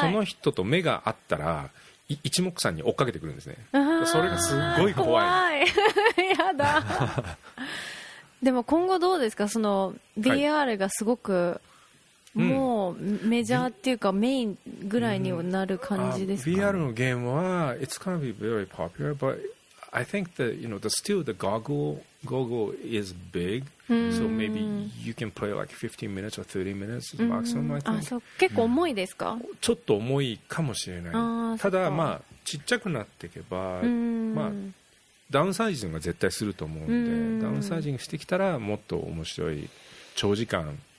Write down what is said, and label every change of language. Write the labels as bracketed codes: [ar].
[ja] その人と目が合ったら一目散に追っかけてくるんですね。それがすごい怖い。怖い。やだ。でも今後どうですか、その VR がすごく、はい、もうメジャーっていうか、メインぐらいにはなる感じですか、ね。 VR のゲームは [en] It's gonna be very popular, butI think that, you know, the still the goggle is big, so maybe you can play like 15 minutes or 30 minutes maximum, I think. [ja] あ、そう、結構重いですか？ちょっと重いかもしれない。ただ、まあ、ちっちゃくなっていけば、まあ、ダウンサイジングは絶対すると思うんで、ダウンサイジングしてきたらもっと面白い、長時間。